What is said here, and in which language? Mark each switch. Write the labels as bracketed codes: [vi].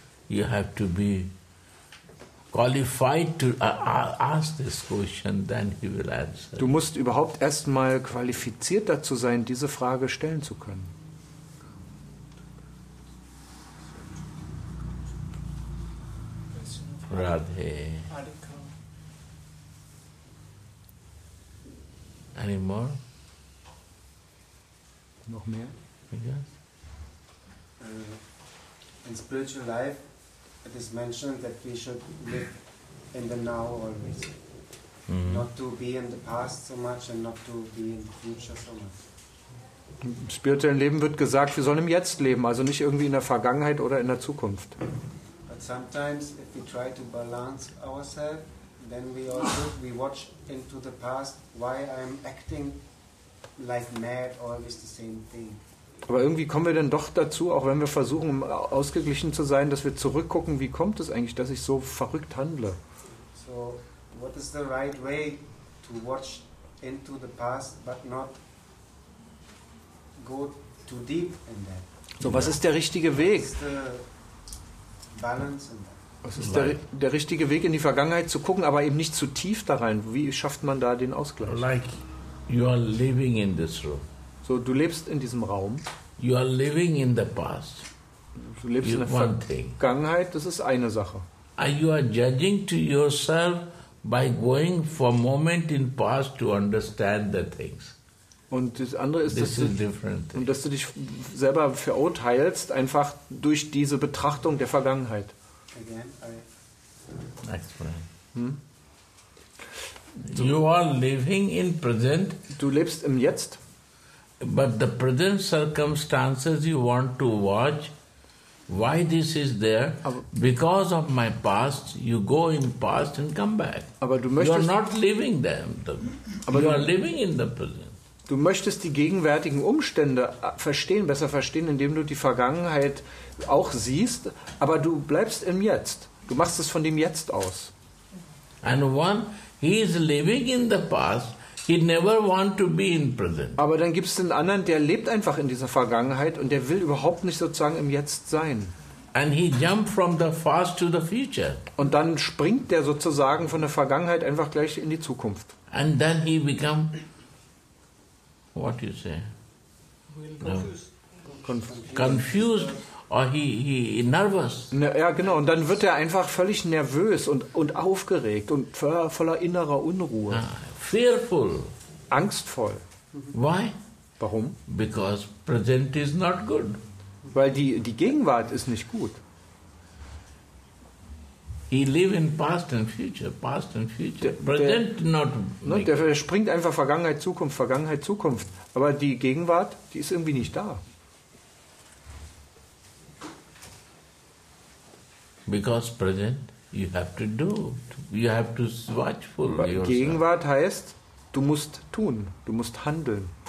[en] You have to be qualified to ask this question, then he will answer. [de] Du musst überhaupt erst mal qualifiziert dazu sein, diese Frage stellen zu können. Radhe. [en] Any more? [de] Noch mehr? [en] Yes. In spiritual life, it is mentioned that we should live in the now always. Mm-hmm. Not to be in the past so much and not to be in the future so much. [de] Im spirituellen Leben wird gesagt, wir sollen im Jetzt leben, also nicht irgendwie in der Vergangenheit oder in der Zukunft. [en] But sometimes if we try to balance ourselves, then we watch into the past, why I'm acting like mad always the same thing. [de] Aber irgendwie kommen wir dann doch dazu, auch wenn wir versuchen, ausgeglichen zu sein, dass wir zurückgucken, wie kommt es eigentlich, dass ich so verrückt handle. [en] So, what is the right way to watch into the past, but not go too deep in that? [de] So, was ist der richtige Weg? [en] What is the balance in that? [de] Was ist der richtige Weg, in die Vergangenheit zu gucken, aber eben nicht zu tief da rein? Wie schafft man da den Ausgleich? [en] Like you are living in this room. [de] So, du lebst in diesem Raum. [en] You are living in the past. [de] Du lebst in der Vergangenheit, das ist eine Sache. [en] You are judging to yourself by going for a moment in past to understand the things. [de] Und das andere ist, dass du dich selber verurteilst, einfach durch diese Betrachtung der Vergangenheit. [en] Explain. You are living in present. [de] Du lebst im Jetzt. [en] But the present circumstances you want to watch, why this is there? Because of my past, you go in past and come back. [de] Aber du möchtest, [en] you are not living them. You are living in the present. [de] Du möchtest die gegenwärtigen Umstände verstehen, besser verstehen, indem du die Vergangenheit auch siehst, aber du bleibst im Jetzt. Du machst es von dem Jetzt aus. [en] And one, he is living in the past. He never want to be in present. [de] Aber dann gibt es den anderen, der lebt einfach in dieser Vergangenheit und der will überhaupt nicht sozusagen im Jetzt sein. [en] And he jumped from the past to the future. [de] Und dann springt der sozusagen von der Vergangenheit einfach gleich in die Zukunft. [en] And then he become, what you say? Confused. Or he nervous. [de] Ja, genau. Und dann wird er einfach völlig nervös und aufgeregt und voller innerer Unruhe. [en] Fearful. [de] Angstvoll. [en] Why? [de] Warum? [en] Because present is not good. [de] Weil die Gegenwart ist nicht gut. [en] He live in past and future, present not. [de] Ne, der springt einfach Vergangenheit, Zukunft, aber die Gegenwart, die ist irgendwie nicht da. [en] Because present, you have to do. You have to watch for yourself. [de] Gegenwart heißt, du musst tun, du musst handeln.